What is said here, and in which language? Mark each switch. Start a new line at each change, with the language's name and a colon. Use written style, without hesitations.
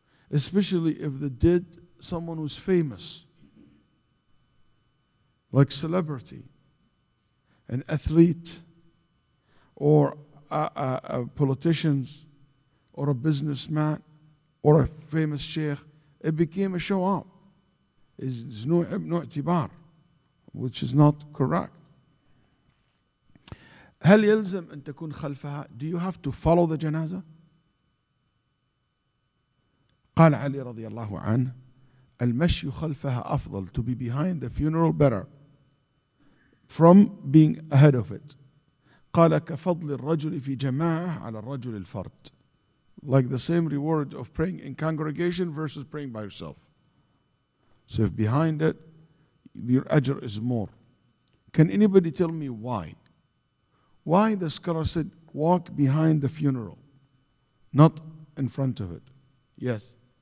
English: Especially if they did someone who's famous, like celebrity, an athlete, or a politician, or a businessman, or a famous sheikh, it became a show up. It's no i'tibar, which is not correct.
Arabic: هل يلزم أن تكون خلفها?
English: Do you have to follow the janazah?
Arabic: قال علي رضي الله عنه المشي خلفها أفضل,
English: to be behind the funeral better. From being ahead of it.
Arabic: قال كفضل الرجل في جماعة على الرجل الفرد.
English: Like the same reward of praying in congregation versus praying by yourself. So if behind it, your ajr is more. Can anybody tell me why? Why the scholar said walk behind the funeral, not in front of it? Yes.